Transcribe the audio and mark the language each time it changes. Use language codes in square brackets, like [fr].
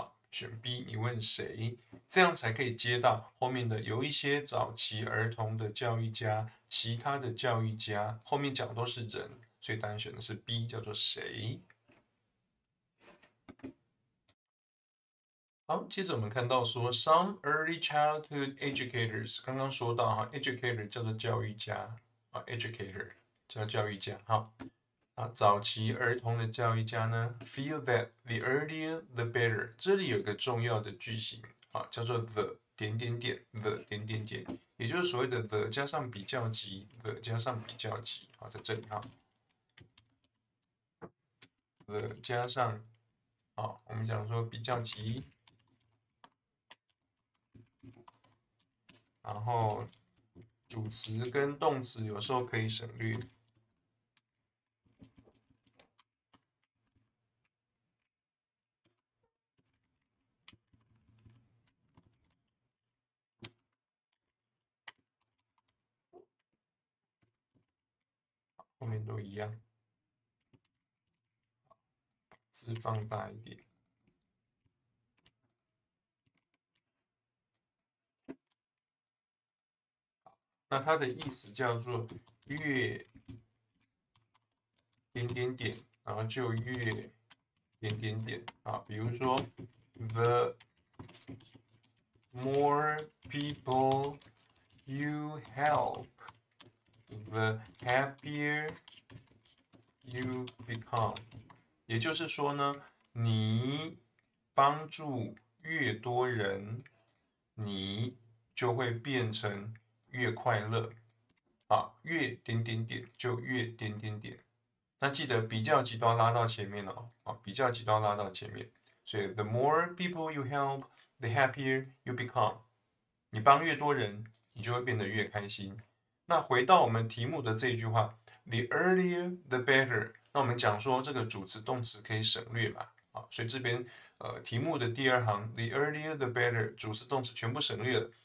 [zh] 选 B，你问谁，这样才可以接到后面的有一些早期儿童的教育家，其他的教育家，后面讲都是人，所以答案选的是 B，叫做谁。好，接着我们看到说， [en] some early childhood educators， [zh] 刚刚说到哈，educator 叫做教育家啊，educator 叫教育家哈。啊，早期儿童的教育家呢， [en] feel that the earlier the better。 [zh] 这里有一个重要的句型啊，叫做 the 点点点 the 点点点，也就是所谓的 the 加上比较级，the 加上比较级啊，在这里啊，the 加上啊，我们讲说比较级，然后主词跟动词有时候可以省略。后面都一样，字放大一点。那它的意思叫做越点点点，然后就越点点点啊。比如说， [en] the more people you help。 The happier you become， [zh] 也就是说呢，你帮助越多人，你就会变成越快乐啊，越点点点就越点点点。那记得比较级都要拉到前面哦，啊，比较级都要拉到前面。 [en] 所以，the more people you help, the happier you become。 [zh] 你帮越多人，你就会变得越开心。那回到我们题目的这一句话， [en] the earlier the better。 [zh] 那我们讲说这个主词动词可以省略嘛？啊，所以这边题目的第二行， [en] the earlier the better， [zh] 主词动词全部省略了。